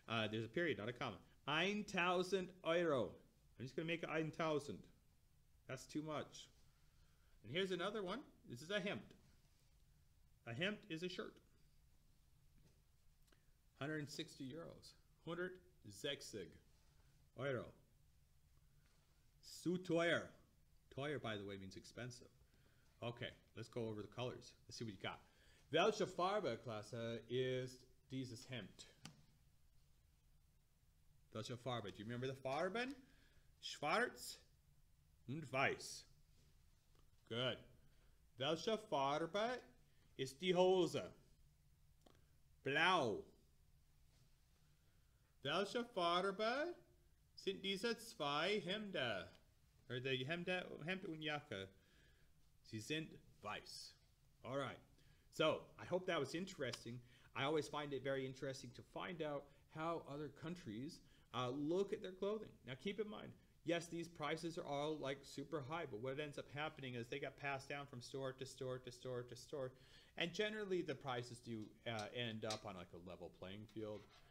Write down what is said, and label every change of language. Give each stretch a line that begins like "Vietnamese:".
English: There's a period, not a comma. 1,000 euro. I'm just gonna make 1,000. That's too much. And here's another one. This is a hemd. A hemd is a shirt.
German: 160 euros. 160. Euro. Zu teuer.
English: Teuer, by the way, means expensive. Okay, let's go over the colors. Let's see what you got.
German: Welche Farbe, Klasse, ist dieses Hemd? Welche Farbe?
English: Do you remember the
German: Farben? Schwarz und Weiß. Good. Welche Farbe ist die Hose? Blau. Welche Farbe sind diese zwei Hemde,
English: or the
German: Hemd und Jacke, sie sind weiß.
English: All right, so I hope that was interesting. I always find it very interesting to find out how other countries look at their clothing. Now keep in mind, yes, these prices are all like super high, but what ends up happening is they get passed down from store to store to store to store, and generally the prices do end up on like a level playing field.